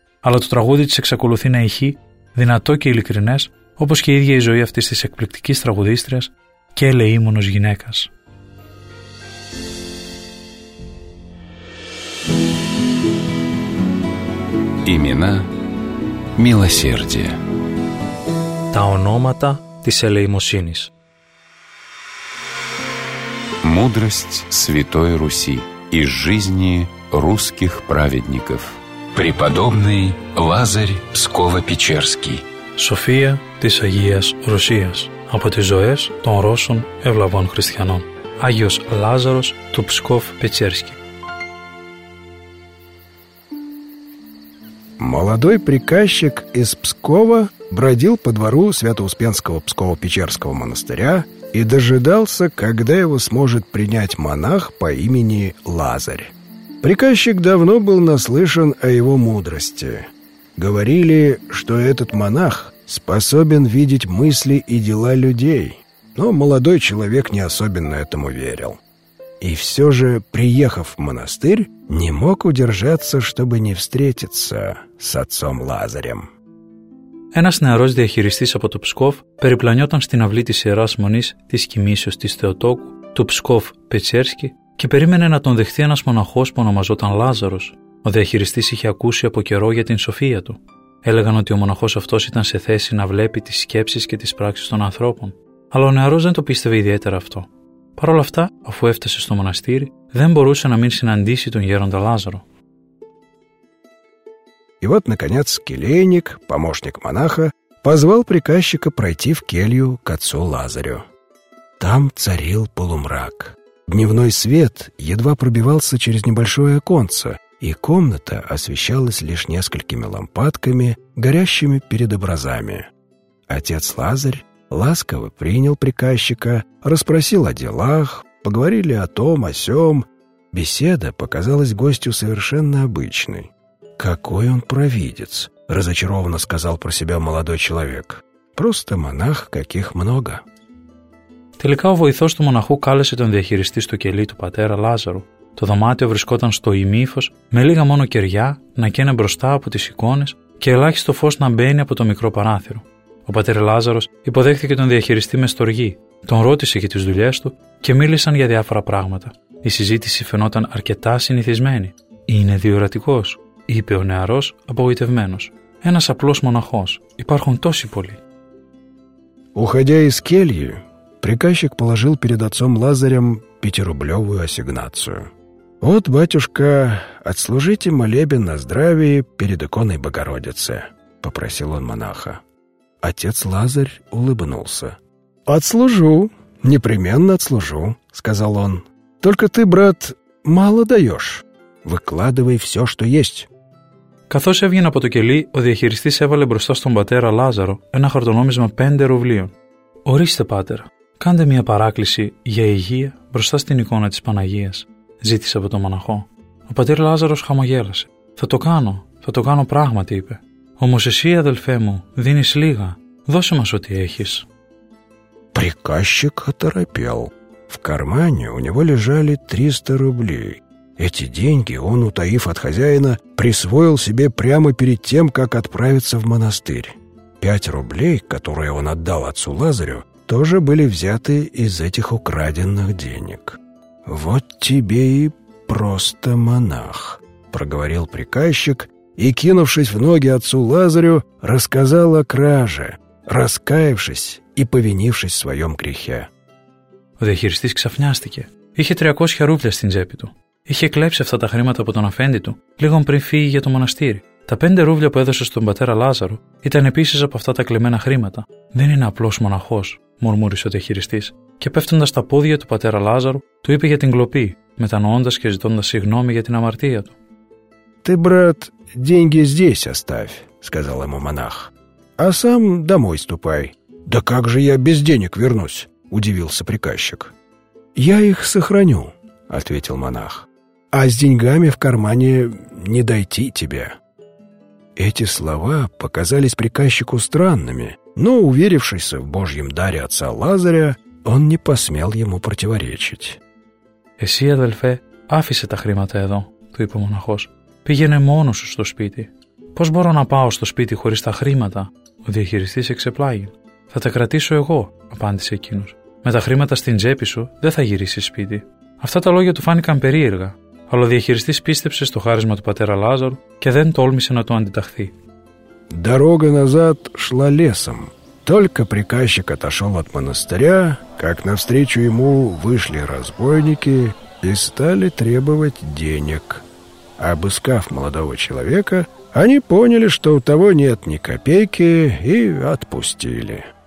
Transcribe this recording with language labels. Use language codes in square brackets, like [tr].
[el] Αλλά το τραγούδι της εξακολουθεί να ηχεί, δυνατό και ειλικρινές, όπως και η ίδια η ζωή αυτής της εκπληκτικής τραγουδίστριας και ελεήμονος γυναίκας. [ru] Имена милосердия. [el] Τα ονόματα της ελεημοσύνης. [ru] Мудрость Святой Руси из жизни русских праведников. Преподобный Лазарь Псково-Печерский. [el] София της Αγίας Ρωσίας. Από τις ζωές των Ρώσων ευλαβών χριστιανών. Άγιος Λάζαρος του Псκόφ-Печерский. [ru] Молодой приказчик из Пскова бродил по двору Свято-Успенского Псково-Печерского монастыря и дожидался, когда его сможет принять монах по имени Лазарь. Приказчик давно был наслышан о его мудрости. Говорили, что этот монах способен видеть мысли и дела людей, но молодой человек не особенно этому верил. И все же, приехав в монастырь, не мог удержаться, чтобы не встретиться с отцом Лазарем. [el] Ένας νεαρός διαχειριστής από το Ψκόφ περιπλανιόταν στην αυλή της Ιεράς Μονής της Κοιμήσεως της Θεοτόκου, του Ψκόφ Πετσέρσκι, και περίμενε να τον δεχθεί ένας μοναχός που ονομαζόταν Λάζαρος. Ο διαχειριστής είχε ακούσει από καιρό για την σοφία του. Έλεγαν ότι ο μοναχός αυτός ήταν σε θέση να βλέπει τις σκέψεις και τις πράξεις των ανθρώπων. Αλλά ο νεαρός δεν το πίστευε ιδιαίτερα αυτό. Παρ' όλα αυτά, αφού έφτασε στο μοναστήρι, δεν μπορούσε να μην συναντήσει τον γέροντα Λάζαρο. [ru] И вот, наконец, келейник, помощник монаха, позвал приказчика пройти в келью к отцу Лазарю. Там царил полумрак. Дневной свет едва пробивался через небольшое оконце, и комната освещалась лишь несколькими лампадками, горящими перед образами. Отец Лазарь ласково принял приказчика, расспросил о делах, поговорили о том, о сём. Беседа показалась гостю совершенно обычной. «Какой он провидец!» — разочарованно сказал про себя молодой человек. «Просто монах, каких много!» [el] Τελικά ο βοηθός του μοναχού κάλεσε τον διαχειριστή στο κελί του πατέρα Λάζαρου. Το δωμάτιο βρισκόταν στο ημίφος, με λίγα μόνο κεριά, να καίνε μπροστά από τις εικόνες και ελάχιστο φως να μπαίνει από το μικρό παράθυρο. Ο πατέρα Λάζαρος υποδέχθηκε τον διαχειριστή με στοργή, τον ρώτησε για τις δουλειές του και μίλησαν για διάφορα πράγματα. Η συζήτηση φαινόταν αρκετά συνηθισμένη. «Είναι διορατικός», είπε ο νεαρός απογοητευμένος. «Ένας απλός μοναχός. Υπάρχουν τόσοι πολλοί». [ru] Уходя из кельи, приказчик положил перед отцом Лазарем пятирублевую ассигнацию. «Вот, батюшка, отслужите молебен на здравии перед иконой Богородицы», — попросил он монаха. Отец Лазарь улыбнулся. «Отслужу, непременно отслужу», — сказал он. «Только ты, брат, мало даешь. Выкладывай все, что есть». [el] Καθώς έβγαινε από το κελί, ο διαχειριστής έβαλε μπροστά στον πατέρα Λάζαρο ένα χαρτονόμισμα 5 ρουβλίων. «Ορίστε, πάτερ, κάντε μια παράκληση για υγεία μπροστά στην εικόνα της Παναγίας», ζήτησε από τον μοναχό. Ο πατέρ Λάζαρος χαμογέλασε. Θα το κάνω πράγματι», είπε. «Όμως εσύ, αδελφέ μου, δίνεις λίγα. Δώσε μας ό,τι έχεις». [ru] Приказчик оторопел. В кармане у него лежали 300 рублей. Эти деньги он, утаив от хозяина, присвоил себе прямо перед тем, как отправиться в монастырь. 5 рублей, которые он отдал отцу Лазарю, тоже были взяты из этих украденных денег. «Вот тебе и просто монах», — проговорил приказчик и, кинувшись в ноги отцу Лазарю, рассказал о краже, раскаявшись и повинившись в своем грехе. [el] Διахειριστής ξαφνιάστηκε. Είχε 300 рубля στην τσέπη του. Είχε κλέψει αυτά τα χρήματα από τον αφέντη του λίγο πριν φύγει για το μοναστήρι. Τα 5 ρούβλια που έδωσε στον πατέρα Λάζαρο ήταν επίσης από αυτά τα κλεμμένα χρήματα. «Δεν είναι απλός μοναχός», μουρμούρισε ο διαχειριστής. Και πέφτοντας στα πόδια του πατέρα Λάζαρου, του είπε για την κλοπή, μετανοώντας και ζητώντας συγγνώμη για την αμαρτία του. [ru] «Ты, брат, деньги здесь оставь», сказал ему монах. «А сам домой ступай». «Да как же я без денег вернусь?» удивился приказчик. «Я их сохраню», ответил монах. «А с деньгами в кармане не дойти тебе». Эти слова показались приказчику странными, но, уверившись в Божьем даре отца Лазаря, он не посмел ему противоречить. [el] «Εσύ, αδελφέ, άφησε τα χρήματα εδώ», του είπε ο μοναχός. «Πήγαινε μόνος σου στο σπίτι». «Πώς μπορώ να πάω στο σπίτι χωρίς τα χρήματα?» ο διαχειριστής εξεπλάγει. «Θα τα κρατήσω εγώ», απάντησε εκείνος. «Με τα χρήματα στην τσέπη σου δεν θα γυρίσεις σπίτι». Αυτά τα λόγια του φάνηκαν περίεργα, αλλά ο διαχειριστής πίστεψε στο χάρισμα του πατέρα Λάζαρου και δεν τόλμησε να το αντιταχθεί. [ru] Дорога назад шла лесом. Только приказчик отошел от монастыря, как навстречу ему вышли разбойники и стали требовать денег. Обыскав молодого человека, они поняли, что у того нет ни копейки, и отпустили.